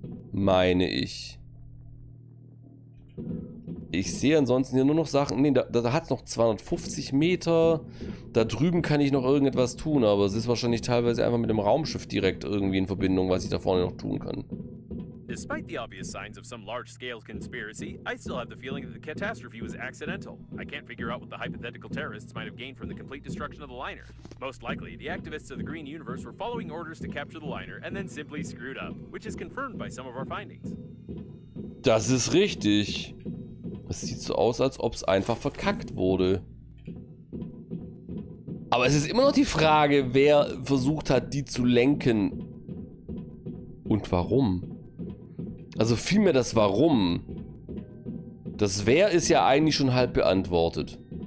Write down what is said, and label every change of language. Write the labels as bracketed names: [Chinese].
[German] Meine ich. Ich sehe ansonsten hier nur noch Sachen. Ne, da hat es noch 250 Meter. Da drüben kann ich noch irgendetwas tun. Aber es ist wahrscheinlich teilweise einfach mit dem Raumschiff direkt irgendwie in Verbindung, was ich da vorne noch tun kann. [English] Despite the obvious signs of some large-scale conspiracy, I still have the feeling that the catastrophe was accidental. I can't figure out what the hypothetical terrorists might have gained from the complete destruction of the liner. Most likely, the activists of the Green Universe were following orders to capture the liner and then simply screwed up, which is confirmed by some of our findings. [German] Das ist richtig. Es sieht so aus, als ob es einfach verkackt wurde. Aber es ist immer noch die Frage, wer versucht hat, die zu lenken. Und warum? Also vielmehr das Warum. Das Wer ist ja eigentlich schon halb beantwortet.